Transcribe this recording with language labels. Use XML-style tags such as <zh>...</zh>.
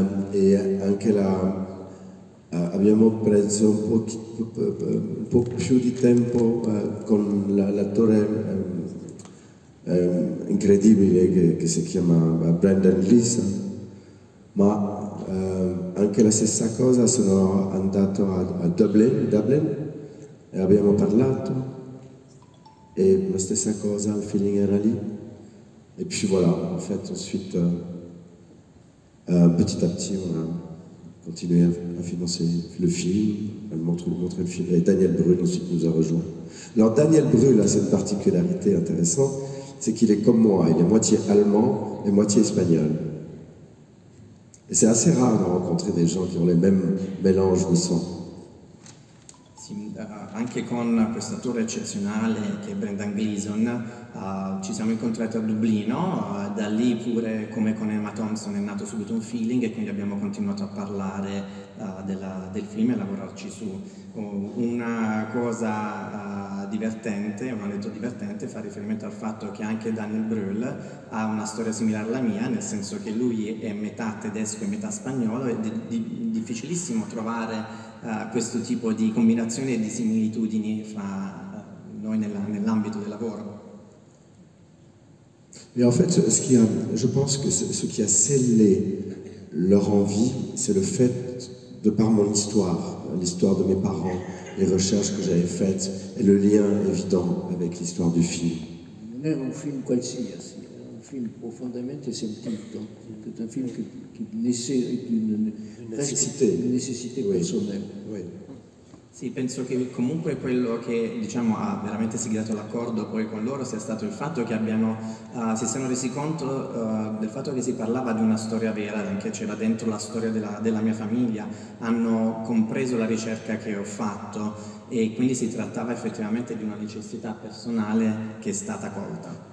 <it>E anche abbiamo preso un po' più di tempo con l'attore incredibile che si chiama Brendan Gleeson, ma anche la stessa cosa, sono andato a Dublin e abbiamo parlato e la stessa cosa, il feeling era lì.</it> <fr>E puis voilà, en fait, ensuite, petit à petit, on a continué à financer le film, à montrer le film. Et Daniel Brühl ensuite nous a rejoint. Alors Daniel Brühl a cette particularité intéressante, c'est qu'il est comme moi, il est moitié allemand et moitié espagnol. Et c'est assez rare de rencontrer des gens qui ont les mêmes mélanges de sang.</fr> <it>Anche con questo attore eccezionale che è Brendan Gleeson, ci siamo incontrati a Dublino, da lì pure come con Emma Thompson è nato subito un feeling e quindi abbiamo continuato a parlare del film e a lavorarci su. Una cosa divertente, un aneddoto divertente, fa riferimento al fatto che anche Daniel Brühl ha una storia simile alla mia, nel senso che lui è metà tedesco e metà spagnolo, è di difficilissimo trovare questo tipo di combinazione e di similitudini fra noi nell'ambito del lavoro.</it> <fr>Et en fait, je pense que ce qui a scellé leur envie, c'est le fait, de par mon histoire, l'histoire de mes parents, les recherches que j'avais faites, et le lien évident avec l'histoire du film.</fr> <it>Non è un film qualsiasi, è un film profondamente sentito, è un film che nasce</it> <fr>Necessité. d'une</fr> <it>necessità personale.</it> <fr>Oui.</fr> <it>Sì, penso che comunque quello che diciamo, ha veramente siglato l'accordo poi con loro sia stato il fatto che si siano resi conto del fatto che si parlava di una storia vera, che c'era dentro la storia della mia famiglia, hanno compreso la ricerca che ho fatto e quindi si trattava effettivamente di una necessità personale che è stata colta.</it>